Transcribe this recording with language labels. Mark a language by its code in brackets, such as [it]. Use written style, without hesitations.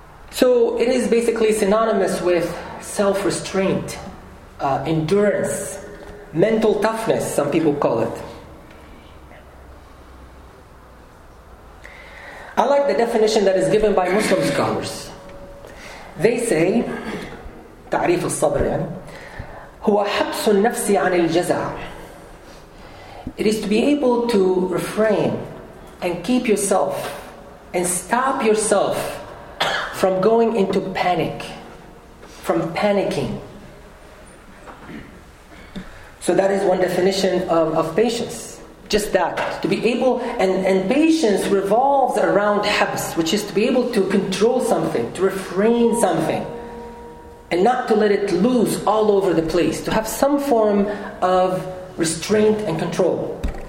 [en] So it is basically synonymous with self-restraint, endurance, mental toughness, some people call it. I like the definition that is given by Muslim scholars. They say, [ar] تعريف الصبر يعني, هو حبس النفس عن الجزع. [en] It is to be able to refrain and keep yourself and stop yourself from going into panic, from panicking. So that is one definition of patience. Just that, to be able, and patience revolves around habs, which is to be able to control something, to refrain something, and not to let it loose all over the place, to have some form of restraint and control.